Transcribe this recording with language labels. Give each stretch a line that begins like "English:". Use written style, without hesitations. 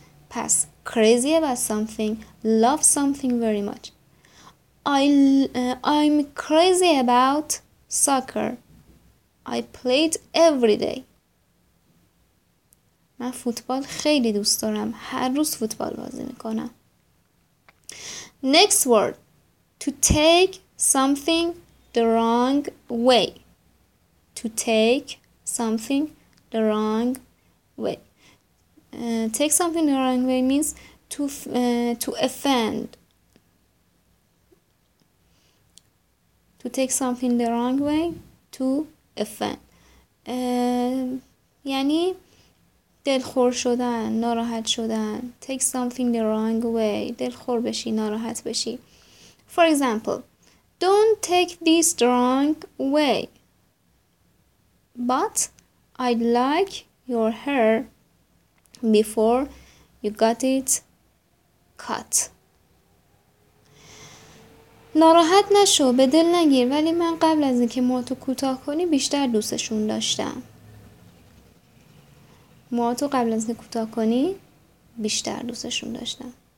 English: پس crazy about something، love something very much. I'm crazy about soccer. I play it every day.
Persian: من فوتبال خیلی دوست دارم، هر روز فوتبال بازی میکنم.
English: Next word، to take something the wrong way. To take something the wrong way. Take something the wrong way means to offend. To take something the wrong way, to offend.
Persian: یعنی دلخور شدن، ناراحت شدن.
English: Take something the wrong way.
Persian: دلخور بشی، ناراحت بشی.
English: For example, don't take this the wrong way. But I like your hair before you got it cut.
Persian: ناراحت نشو، به دل نگیر، ولی من قبل از اینکه موهاتو کوتاه کنی بیشتر دوستشون داشتم. موهاتو قبل از اینکه کوتاه کنی بیشتر دوستشون داشتم.